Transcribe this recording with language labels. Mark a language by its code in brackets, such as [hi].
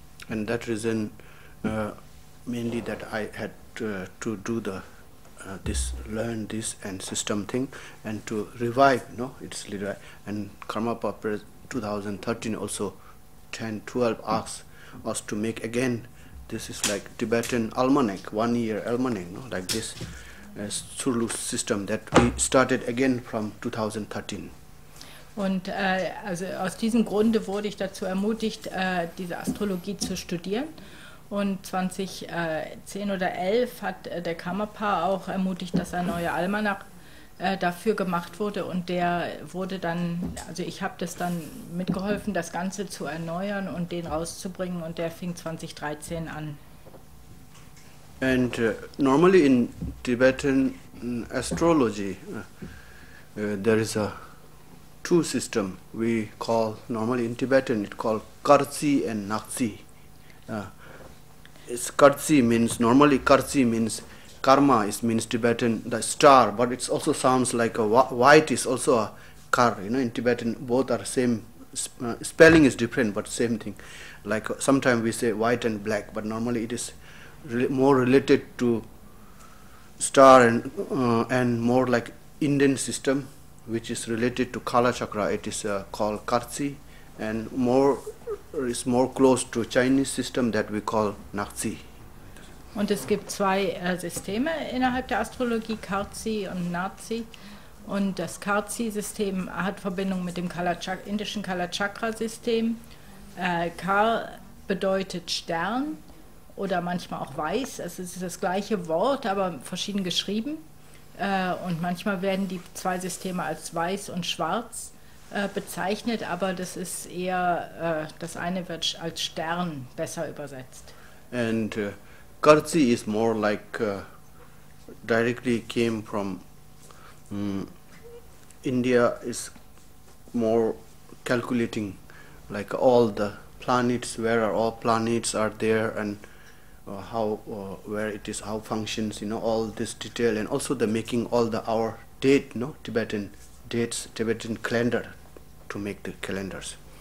[en] And that reason, mainly that I had to do the this, learn this and system thing, and to revive, no, it's literally, and Karmapa 2013 also 10-12 asks us to make again, this is like Tibetan almanac, 1 year almanac, no, like this Surlu system that we started again from 2013. [de] Und also aus diesem Grunde wurde ich dazu ermutigt, diese Astrologie zu studieren. Und 2010 oder 11 hat der Karmapa auch ermutigt, dass ein neuer Almanach dafür gemacht wurde. Und der wurde dann, also ich habe das dann mitgeholfen, das Ganze zu erneuern und den rauszubringen. Und der fing 2013 an. [en] And normally in Tibetan astrology, there is a two system we call, normally in Tibetan, it's called Karzi and Naksi. It's Karzi means, normally Karzi means karma, is means Tibetan, the star, but it also sounds like a white is also a kar, you know, in Tibetan both are same, spelling is different, but same thing. Like sometimes we say white and black, but normally it is more related to star and more like Indian system, which is related to Kala Chakra, it is called Karzi, and is more close to Chinese system that we call Naxi. [de] Und es gibt zwei Systeme innerhalb der Astrologie, Karzi und Naxi. Und das Karzi-System hat Verbindung mit dem indischen Kala Chakra-System. Kar bedeutet Stern oder manchmal auch weiß. Also es ist das gleiche Wort, aber verschieden geschrieben. Und manchmal werden die zwei Systeme als weiß und schwarz bezeichnet, aber das ist eher, das eine wird als Stern besser übersetzt. [en] And Karzi is more like directly came from India, is more calculating like all the planets, where are all planets are there, and where it is, how functions, you know, all this detail, and also the making all the our date, no, Tibetan dates, Tibetan calendar, to make the calendars.